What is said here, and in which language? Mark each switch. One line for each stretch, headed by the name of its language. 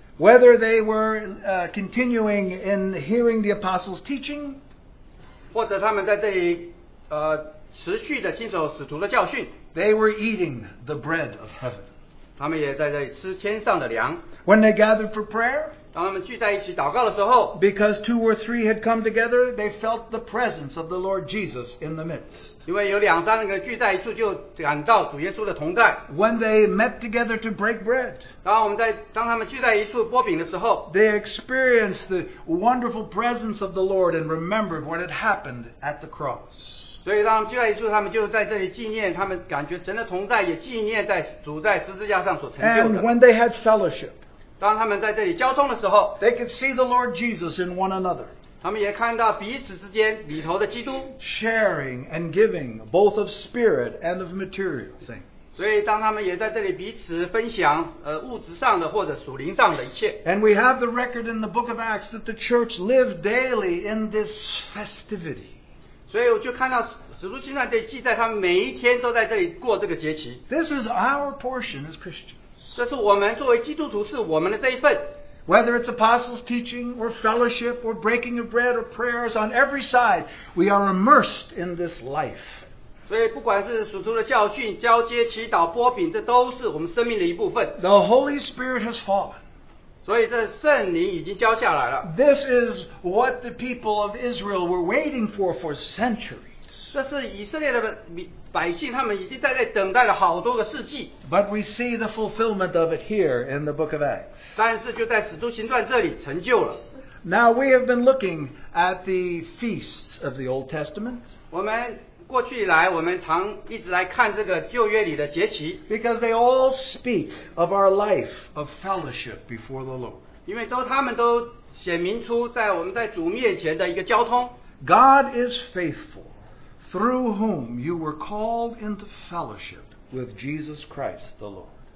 English: Whether they were continuing in hearing the apostles' teaching,
Chinese: 或者他们在这里持续的经受使徒的教训。
English: They were eating the bread of heaven.
Chinese: 他们也在这里吃天上的粮。
English: When they gathered for prayer,
Chinese: 当他们聚在一起祷告的时候，
English: because two or three had come together, they felt the presence of the Lord Jesus in the midst.
Chinese: 因为有两三个聚在一处，就感到主耶稣的同在。
English: When they met together to break bread,
Chinese: 当他们聚在一处擘饼的时候，
English: they experienced the wonderful presence of the Lord and remembered what had happened at the cross.
Chinese: 所以当他们聚在一处，他们就在这里纪念，他们感觉神的同在，也纪念在主在十字架上所成就的。
English: And when they had fellowship,
Chinese: 当他们在这里交通的时候，
English: they could see the Lord Jesus in one another.
Chinese: 他们也看到彼此之间里头的基督。
English: Sharing and giving both of spirit and of material things.
Chinese: 所以当他们也在这里彼此分享，物质上的或者属灵上的一切。
English: And we have the record in the book of Acts that the church lived daily in this festivity.
Chinese: 所以我就看到使徒行传这里记载，他们每一天都在这里过这个节期。
English: This is our portion as Christians.
Chinese: 这是我们作为基督徒是我们的这一份。
English: Whether it's apostles' teaching or fellowship or breaking of bread or prayers, on every side we are immersed in this life.
Chinese: 所以不管是使徒的教训、交接、祈祷、擘饼，这都是我们生命的一部分。
English: The Holy Spirit has fallen.
Chinese: 所以这圣灵已经浇下来了。
English: This is what the people of Israel were waiting for centuries.
Chinese: 这是以色列的百姓他们已经在等待了好多个世纪。
English: But we see the fulfillment of it here in the book of Acts.
Chinese: 但是就在使徒行传这里成就了。
English: Now we have been looking at the feasts of the Old Testament.
Chinese: 我们过去以来我们常一直来看这个旧约里的节期。
English: Because they all speak of our life of fellowship before the Lord.
Chinese: 因为他们都显明出在我们在主面前的一个交通。
English: God is faithful through whom you were called into fellowship with Jesus Christ the Lord.